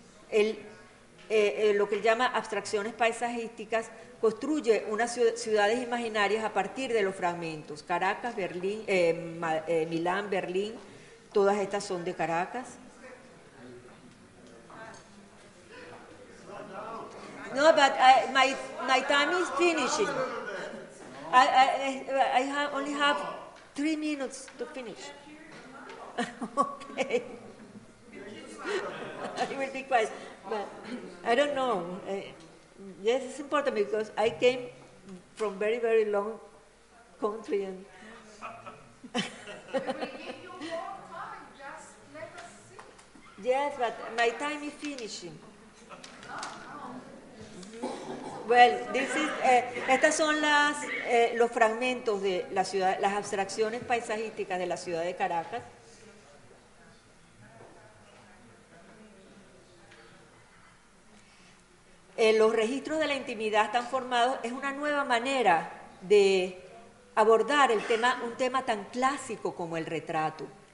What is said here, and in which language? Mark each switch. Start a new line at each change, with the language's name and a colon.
Spanish: Él, lo que él llama abstracciones paisajísticas, construye unas ciudades imaginarias a partir de los fragmentos. Caracas, Berlín, Milán, Berlín, todas estas son de Caracas.
English: No, but my time is finishing. I only have 3 minutes to finish. Okay. I will be quiet. But I don't know. Yes, it's important because I came from very, very long country. And we will give you more time. Just let us see. Yes, but my time is finishing. Well, this is,
Spanish: estas son las, los fragmentos de la ciudad, las abstracciones paisajísticas de la ciudad de Caracas. Los registros de la intimidad están formados, es una nueva manera de abordar el tema, un tema tan clásico como el retrato.